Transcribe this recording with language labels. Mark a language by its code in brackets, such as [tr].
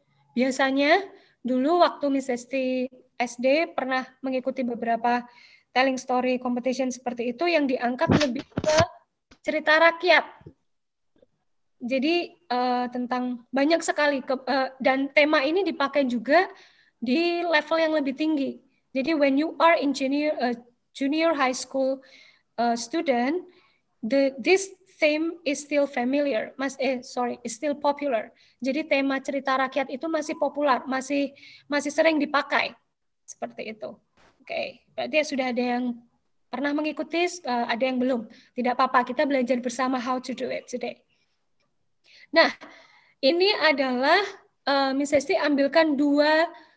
[id] Biasanya dulu waktu Miss Hesti SD pernah mengikuti beberapa [en] telling story competition [id] seperti itu, yang diangkat lebih ke cerita rakyat. Jadi tentang banyak sekali dan tema ini dipakai juga di level yang lebih tinggi. Jadi [en] when you are in junior high school student, this theme is still familiar. Is still popular. [id] Jadi tema cerita rakyat itu masih populer, masih sering dipakai. Seperti itu. Oke. Okay. Berarti sudah ada yang pernah mengikuti, ada yang belum. Tidak apa-apa, kita belajar bersama [en] how to do it today. [id] Nah, ini adalah Miss Hesti ambilkan dua